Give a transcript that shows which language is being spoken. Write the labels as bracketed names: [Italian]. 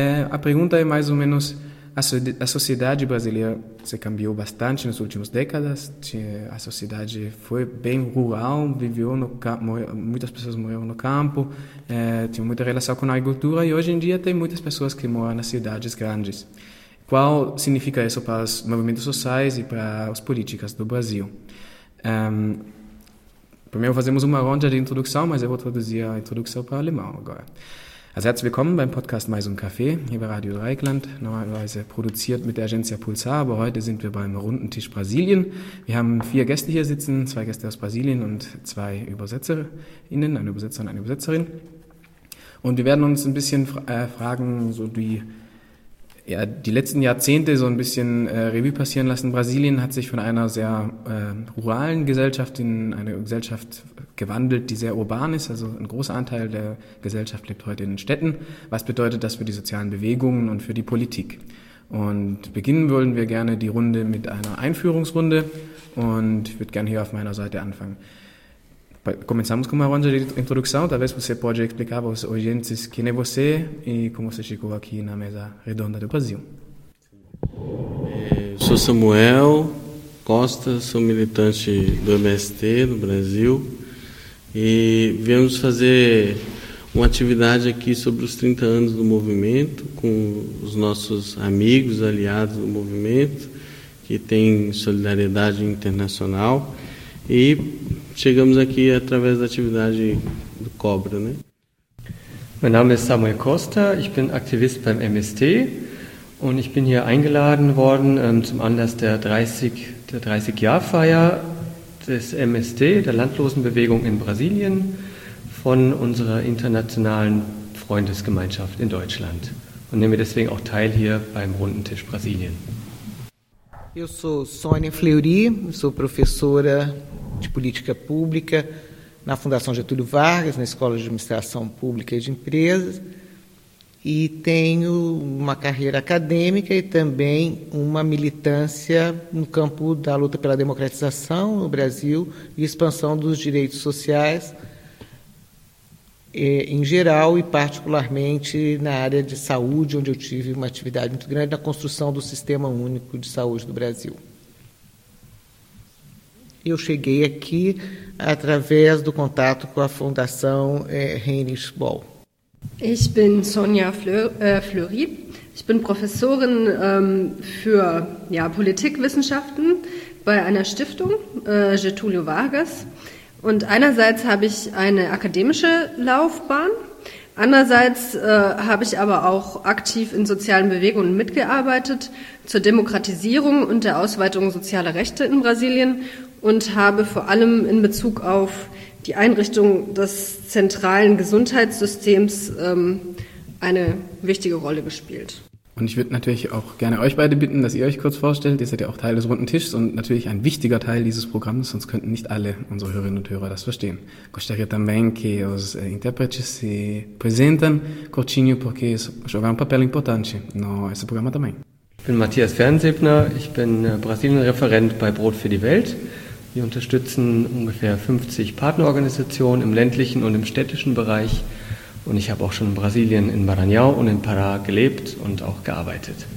[Portuguese] A pergunta é mais ou menos, a sociedade brasileira se cambiou bastante nas últimas décadas, a sociedade foi bem rural, viveu no campo, muitas pessoas moravam no campo, tinha muita relação com a agricultura e hoje em dia tem muitas pessoas que moram nas cidades grandes. Qual significa isso para os movimentos sociais e para as políticas do Brasil? Primeiro fazemos uma ronda de introdução, mas eu vou traduzir a introdução para o alemão agora. [German] Also herzlich willkommen beim Podcast Mais un Café hier bei Radio Dreieckland, normalerweise produziert mit der Agencia Pulsar, aber heute sind wir beim Runden Tisch Brasilien. Wir haben vier Gäste hier sitzen, zwei Gäste aus Brasilien und zwei ÜbersetzerInnen, ein Übersetzer und eine Übersetzerin. Und wir werden uns ein bisschen fragen, so die, ja, die letzten Jahrzehnte so ein bisschen Revue passieren lassen. Brasilien hat sich von einer sehr ruralen Gesellschaft in eine Gesellschaft gewandelt, die sehr urban ist. Also ein großer Anteil der Gesellschaft lebt heute in den Städten. Was bedeutet das für die sozialen Bewegungen und für die Politik? Und beginnen wollen wir gerne die Runde mit einer Einführungsrunde und ich würde gerne hier auf meiner Seite anfangen. [Portuguese] Começamos com uma ronda de introdução, talvez você pode explicar para os ouvintes quem é você e como você chegou aqui na Mesa Redonda do Brasil. Sou Samuel Costa, sou militante do MST no Brasil e viemos fazer uma atividade aqui sobre os 30 anos do movimento com os nossos amigos, aliados do movimento, que tem solidariedade internacional e chegamos aqui através da atividade do Cobra, né? [German] Mein Name ist Samuel Costa, ich bin Aktivist beim MST und ich bin hier eingeladen worden zum Anlass der 30-Jahr-Feier des MST, der Landlosenbewegung in Brasilien, von unserer internationalen Freundesgemeinschaft in Deutschland und nehme deswegen auch teil hier beim Runden Tisch Brasilien. [Portuguese] Eu sou Sônia Fleury, sou professora de Política Pública na Fundação Getúlio Vargas, na Escola de Administração Pública e de Empresas, e tenho uma carreira acadêmica e também uma militância no campo da luta pela democratização no Brasil e expansão dos direitos sociais em geral e particularmente na área de saúde, onde eu tive uma atividade muito grande na construção do Sistema Único de Saúde do Brasil. Eu cheguei aqui através do contato com a Fundação Heinrich Boll. [German] Ich bin Sonja Fleury. Ich bin Professorin für Politikwissenschaften bei einer Stiftung, Getúlio Vargas. Und einerseits habe ich eine akademische Laufbahn, andererseits habe ich aber auch aktiv in sozialen Bewegungen mitgearbeitet zur Demokratisierung und der Ausweitung sozialer Rechte in Brasilien und habe vor allem in Bezug auf die Einrichtung des zentralen Gesundheitssystems eine wichtige Rolle gespielt. Und ich würde natürlich auch gerne euch beide bitten, dass ihr euch kurz vorstellt. Ihr seid ja auch Teil des Runden Tisches und natürlich ein wichtiger Teil dieses Programms, sonst könnten nicht alle unsere Hörerinnen und Hörer das verstehen. [Portuguese] Gostaria também que os intérpretes se apresentem curtinho, porque jogam um papel importante no esse programa também. [German] Ich bin Matthias Fernsebner, ich bin Brasilien-Referent bei Brot für die Welt. Wir unterstützen ungefähr 50 Partnerorganisationen im ländlichen und im städtischen Bereich. Und ich habe auch schon in Brasilien, in Maranhão und in Pará gelebt und auch gearbeitet.